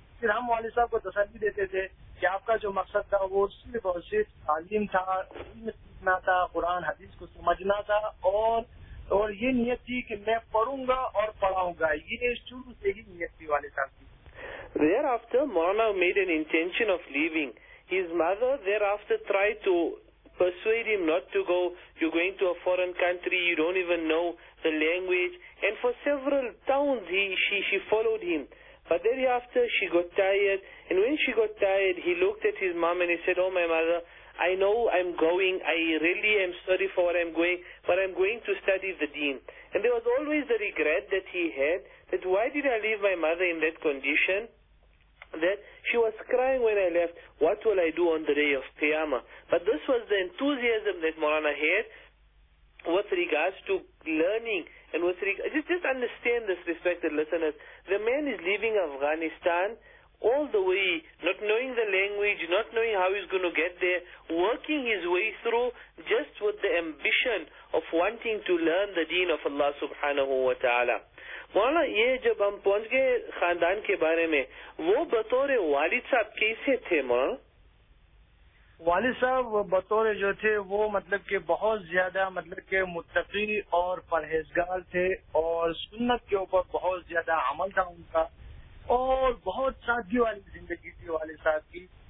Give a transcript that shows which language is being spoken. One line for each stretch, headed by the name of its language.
Urdu: پھر ہم والد صاحب کو تسلی دیتے تھے کہ آپ کا جو مقصد تھا وہ صرف اور صرف تعلیم تھا, علم سیکھنا تھا, قرآن حدیث کو سمجھنا تھا اور یہ نیت تھی کہ میں پڑھوں گا اور پڑھاؤں گا. یہ شروع سے ہی نیت تھی والد صاحب کی.
English: Thereafter Maulana made an intention of leaving his mother thereafter try to persuade him not to go. You're going to a foreign country, you don't even know the language, and for several towns she followed him. But thereafter she got tired, and when she got tired he looked at his mom and he said, oh my mother, I know I'm going, I really am sorry for where I'm going, but I'm going to study the deen. And there was always the regret that he had, that why did I leave my mother in that condition, that she was crying when I left, what will I do on the day of Qiyamah? But this was the enthusiasm that Maulana had with regards to learning and with regards, just understand this, respected listeners. The man is leaving Afghanistan all the way, not knowing the language, not knowing how he's going to get there, working his way through just with the ambition of wanting to learn the deen of Allah subhanahu wa ta'ala.
Urdu: مولانا یہ جب ہم پہنچ گئے خاندان کے بارے میں, وہ بطور والد صاحب کیسے تھے؟ مولانا والد صاحب بطور جو تھے وہ مطلب کہ بہت زیادہ مطلب کہ متقی اور پرہیزگار تھے اور سنت کے اوپر بہت زیادہ عمل تھا ان کا اور بہت سادگی والی زندگی تھی والد صاحب کی.